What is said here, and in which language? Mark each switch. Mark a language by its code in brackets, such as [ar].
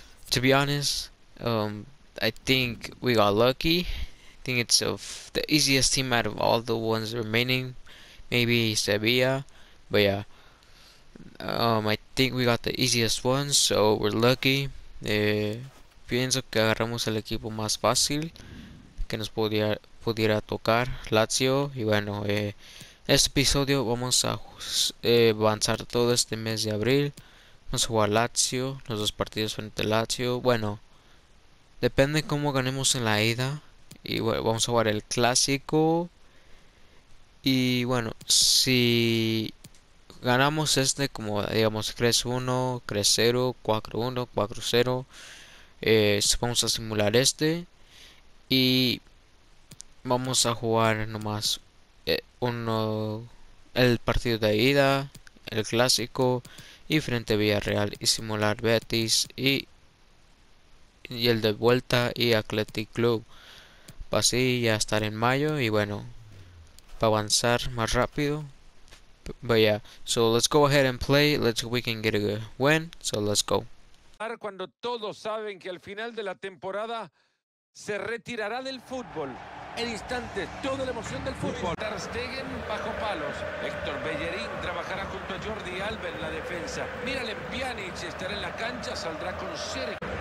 [en] To be honest, I think we got lucky. I think it's the easiest team out of all the ones remaining, maybe Sevilla, but yeah, I think we got the easiest one, so we're lucky. [es] Pienso que agarramos el equipo más fácil que nos pudiera tocar, Lazio. Y bueno, este episodio vamos a avanzar todo este mes de abril. Vamos a jugar Lazio, los dos partidos frente a Lazio. Bueno, depende cómo ganemos en la ida. Y bueno, vamos a jugar el clásico. Y bueno, si ganamos este, como digamos 3-1, 3-0, 4-1, 4-0, vamos a simular este. Y vamos a jugar nomás el partido de ida, el clásico, y frente a Villarreal, y simular Betis, y el de vuelta, y Athletic Club. Así ya estar en mayo y bueno, para avanzar más rápido. [en] But yeah, so let's go ahead and play. Let's we can get a good win. So let's go. [es] Cuando todos saben que al final de la temporada se retirará del fútbol. En instantes, toda la emoción del fútbol. Ter Stegen bajo palos. Héctor Bellerín trabajará junto a Jordi Alba en la defensa. Mírale en Pjanic, estará en la cancha, saldrá con ser.